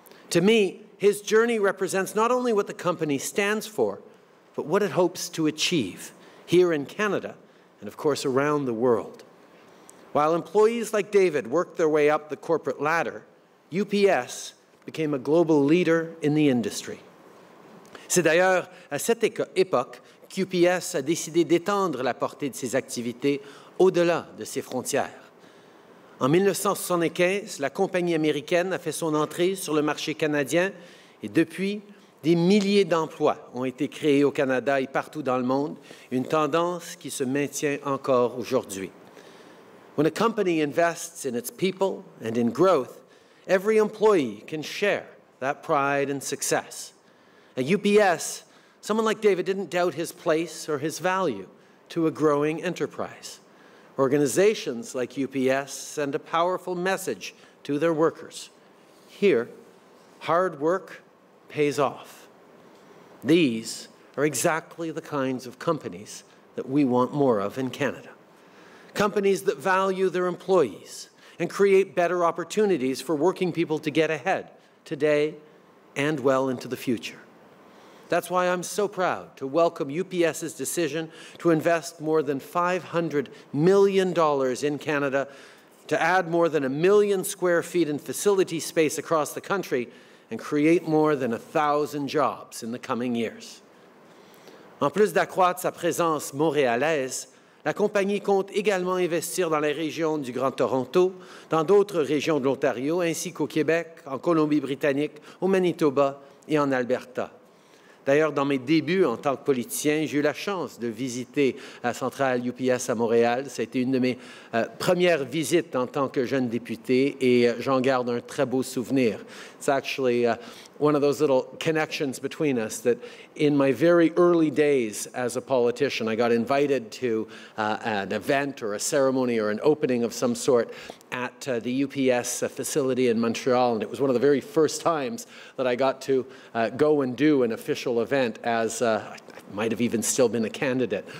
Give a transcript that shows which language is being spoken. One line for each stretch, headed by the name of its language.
English: To me, his journey represents not only what the company stands for, but what it hopes to achieve here in Canada and, of course, around the world. While employees like David worked their way up the corporate ladder, UPS became a global leader in the industry.
French: C'est d'ailleurs à cette époque qu'UPS a décidé d'étendre la portée de ses activités au-delà de ses frontières. En 1975, la compagnie américaine a fait son entrée sur le marché canadien et depuis, des milliers d'emplois ont été créés au Canada et partout dans le monde, une tendance qui se maintient encore aujourd'hui.
English: When a company invests in its people and in growth, every employee can share that pride and success. At UPS, someone like David didn't doubt his place or his value to a growing enterprise. Organizations like UPS send a powerful message to their workers. Here, hard work pays off. These are exactly the kinds of companies that we want more of in Canada. Companies that value their employees and create better opportunities for working people to get ahead today and well into the future. That's why I'm so proud to welcome UPS's decision to invest more than $500 million in Canada, to add more than 1 million square feet in facility space across the country, and create more than 1,000 jobs in the coming years.
French: En plus d'accroître sa présence montréalaise, la compagnie compte également investir dans les régions du Grand Toronto, dans d'autres régions de l'Ontario, ainsi qu'au Québec, en Colombie-Britannique, au Manitoba et en Alberta. D'ailleurs, dans mes débuts en tant que politicien, j'ai eu la chance de visiter la centrale UPS à Montréal. Ça a été une de mes premières visites en tant que jeune député et j'en garde un très beau souvenir.
English: It's actually one of those little connections between us that in my very early days as a politician, I got invited to an event or a ceremony or an opening of some sort at the UPS facility in Montreal. And it was one of the very first times that I got to go and do an official event as I might have even still been a candidate.